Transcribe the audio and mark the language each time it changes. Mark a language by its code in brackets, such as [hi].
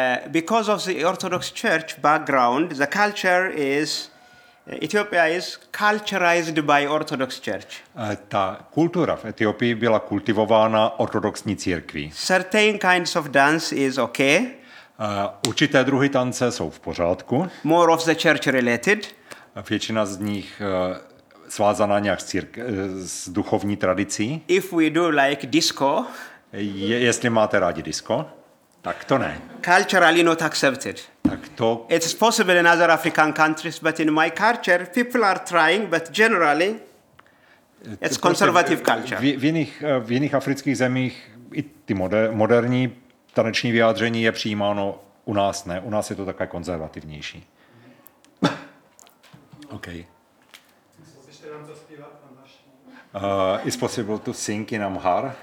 [en] Because of the Orthodox Church background, the culture is, Ethiopia is culturized by Orthodox Church. [cs] Ta kultura v Etiopii byla kultivována ortodoxní církví. [en] Certain kinds of dance is okay. [cs] Určité druhy tance jsou v pořádku. [en] More of the church related. [cs] Většina z nich svázaná nějak s duchovní tradicí. [en] If we do like disco. [cs] Jestli máte rádi disco. Tak to ne. [en] Culturally not accepted. [cs] Tak to. [en] It's possible in other African countries, but in my culture, people are trying, but generally, it's conservative culture. [cs] V jiných afrických zemích i ty moderní taneční vyjádření je přijímáno, u nás ne. U nás je to také konzervativnější. [en] OK. Is possible to sing in Amhar?